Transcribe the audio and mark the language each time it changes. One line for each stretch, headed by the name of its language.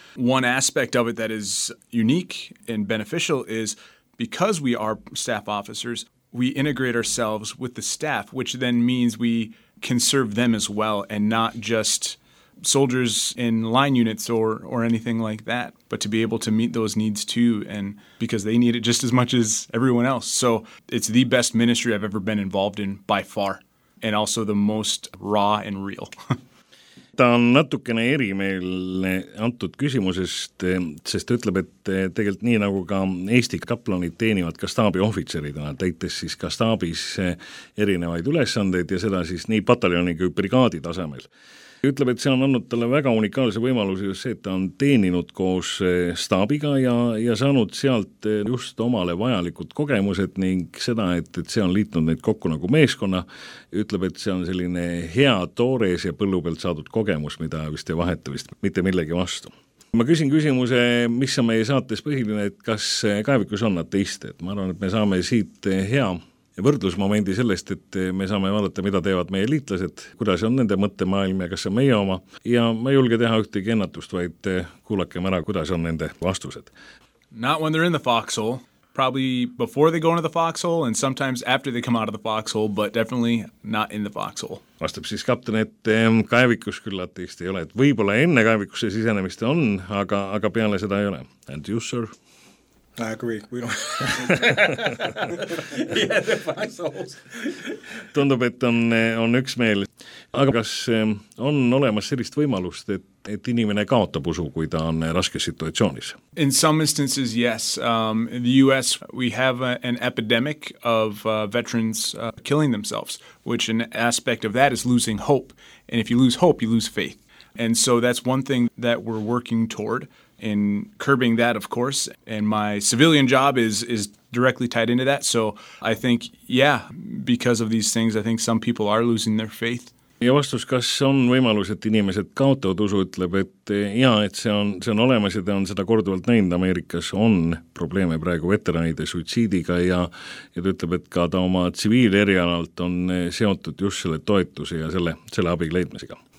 English: One aspect of it that is unique and beneficial is because we are staff officers, we integrate ourselves with the staff, which then means we can serve them as well and not just soldiers in line units or anything like that, but to be able to meet those needs too, and because they need it just as much as everyone else. So it's the best ministry I've ever been involved in by far, and also the most raw and real.
Estonian: Ta on natukene erimeelne antud küsimusest, sest ta ütleb, et tegelikult nii nagu ka Eesti kaplanid teenivad ka staabi ohvitseridena, täites siis ka staabis erinevaid ülesandeid ja seda siis nii pataljoni kui brigaadi tasemel. ütleb, et see on annud talle väga unikaalse võimaluse just see, et ta on teeninud koos staabiga ja saanud sealt just omale vajalikud kogemused ning seda, et see on liitnud neid kokku nagu meeskonna, ütleb, et see on selline hea toores ja põllupealt saadud kogemus, mida vist ei vaheta vist mitte millegi vastu. Ma küsin küsimuse, mis on meie saates põhiline, et kas kaevikus on ateiste, et ma arvan, et me saame siit hea võrdlusmomendi sellest, et me saame vaadata, mida teevad meie liitlased, kuidas on nende mõttemaailm ja kas on meie oma. Ja ma ei julge teha ühtegi ennatust, vaid kuulakem ära, kuidas on nende vastused.
English: Not when they're in the foxhole, probably before they go into the foxhole and sometimes after they come out of the foxhole, but definitely not in the foxhole.
Estonian: Vastab siis kapten, et kaevikus küll ateist ei ole, et võibolla enne kaevikuse sisenemist on, aga peale seda ei ole.
English: And you, sir? I agree. We don't.
Estonian: Tundub, et on üks meel. Aga kas on olemas sellist võimalust, et inimene kaotab usu, kui ta on raskes situatsioonis?
English: In some instances, yes. In the US, we have an epidemic of veterans killing themselves, which an aspect of that is losing hope. And if you lose hope, you lose faith. And so that's one thing that we're working toward. In curbing that, of course, and my civilian job is directly tied into that. So I think, yeah, because of these things, I think some people are losing their faith.
Estonian: Ja vastus, kas on võimalus, et inimesed kaotavad usu, ütleb, et see on olemas ja ta on seda korduvalt näinud. Ameerikas on probleeme praegu veteranide suitsiidiga ja ta ütleb, et ka ta oma tsiviil erialalt on seotud just selle toetuse ja selle abiga leidmisega.